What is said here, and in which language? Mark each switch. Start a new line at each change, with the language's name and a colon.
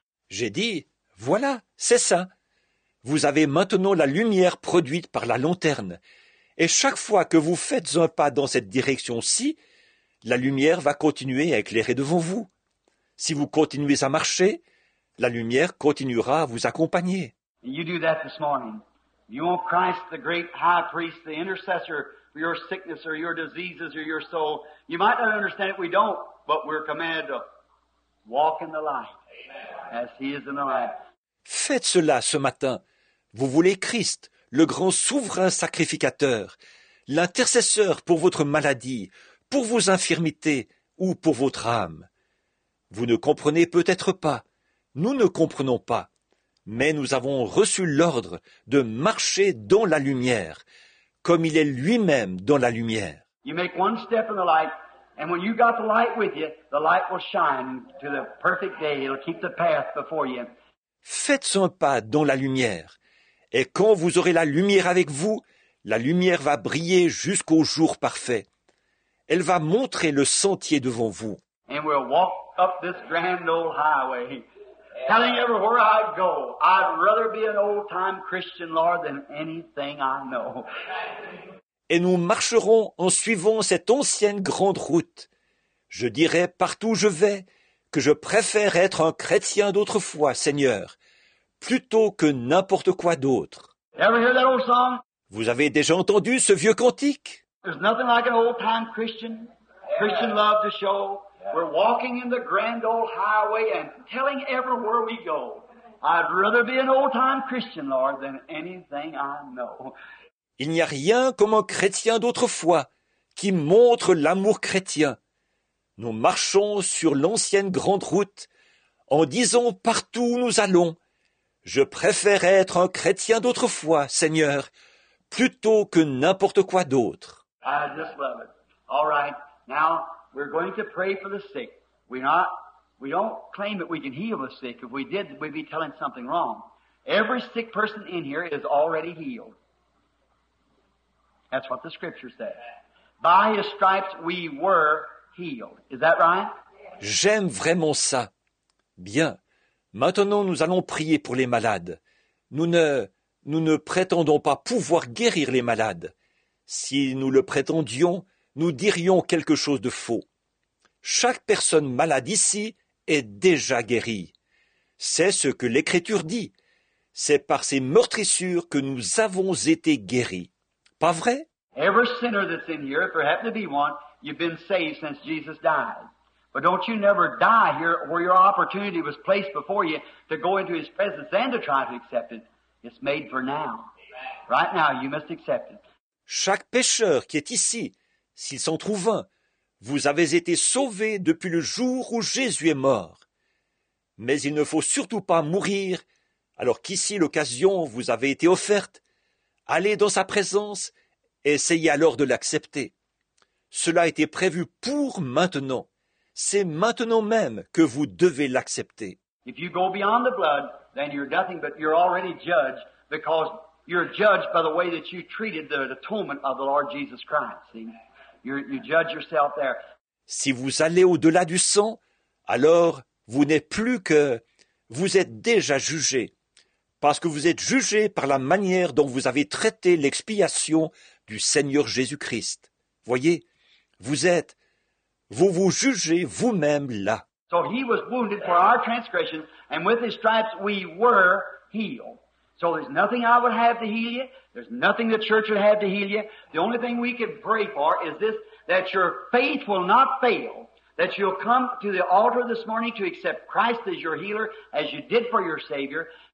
French: J'ai dit, voilà, c'est ça. Vous avez maintenant la lumière produite par la lanterne. Et chaque fois que vous faites un pas dans cette direction-ci, la lumière va continuer à éclairer devant vous. Si vous continuez à marcher, la lumière continuera à vous accompagner.
English: You do that this morning. You want Christ, the great high priest, the intercessor for your sickness or your diseases or your soul. You might not understand it, we don't, but we're commanded to walk in the light. Amen. As he is in the light.
French: Faites cela ce matin. Vous voulez Christ, le grand souverain sacrificateur, l'intercesseur pour votre maladie, pour vos infirmités ou pour votre âme. Vous ne comprenez peut-être pas, nous ne comprenons pas, mais nous avons reçu l'ordre de marcher dans la lumière, comme il est lui-même dans la lumière.
English: You make one step in the light, and when you got the light with you, the light will shine to the perfect day. It'll keep the path before you.
French: Faites un pas dans la lumière, et quand vous aurez la lumière avec vous, la lumière va briller jusqu'au jour parfait. Elle va montrer le sentier devant vous.
English: And we'll walk up this grand old highway, telling everywhere I go, I'd rather be an old-time Christian, Lord, than anything I know.
French: Et nous marcherons en suivant cette ancienne grande route. Je dirai partout où je vais que je préfère être un chrétien d'autrefois, Seigneur, plutôt que n'importe quoi d'autre.
English: Ever hear that old song?
French: Vous avez déjà entendu ce vieux cantique?
English: There's nothing like an old-time Christian, Christian love to show. We're walking in the grand old highway and telling everywhere we go, I'd rather be an old-time Christian, Lord, than anything I know.
French: Il n'y a rien comme un chrétien d'autrefois qui montre l'amour chrétien. Nous marchons sur l'ancienne grande route en disant partout où nous allons, je préfère être un chrétien d'autrefois, Seigneur, plutôt que n'importe quoi d'autre.
English: I just love it. All right. Now, we're going to pray for the sick. We don't claim that we can heal the sick. If we did, we'd be telling something wrong. Every sick person in here is already healed. That's what the scripture says. By his stripes we were healed. Is that right?
French: J'aime vraiment ça. Bien. Maintenant, nous allons prier pour les malades. Nous ne prétendons pas pouvoir guérir les malades. Si nous le prétendions, nous dirions quelque chose de faux. Chaque personne malade ici est déjà guérie. C'est ce que l'Écriture dit. C'est par ses meurtrissures que nous avons été guéris. Pas vrai?
English: Every sinner that's in here, if there happen to be one, you've been saved since Jesus died. But don't you never die here where your opportunity was placed before you to go into his presence and to try to accept it. It's made for now. Right now, you must accept it.
French: Chaque pécheur qui est ici, s'il s'en trouve un, vous avez été sauvé depuis le jour où Jésus est mort. Mais il ne faut surtout pas mourir, alors qu'ici l'occasion vous avait été offerte. Allez dans sa présence et essayez alors de l'accepter. Cela a été prévu pour maintenant. C'est maintenant même que vous devez l'accepter.
English: If you go beyond the blood, then you're nothing but you're already judged because you're judged by the way that you treated the atonement of the Lord Jesus Christ. See? You judge yourself there.
French: Si vous allez au-delà du sang, alors vous n'êtes plus que vous êtes déjà jugé parce que vous êtes jugé par la manière dont vous avez traité l'expiation du Seigneur Jésus-Christ. Voyez, vous jugez vous-même là.
English: So he was wounded for our transgressions, and with his stripes we were healed. So there's nothing I would have to heal you. There's nothing the church would have to heal you. The only thing we could pray for is this, that your faith will not fail, that you'll come to the altar this morning to accept Christ as your healer, as you did for your Savior.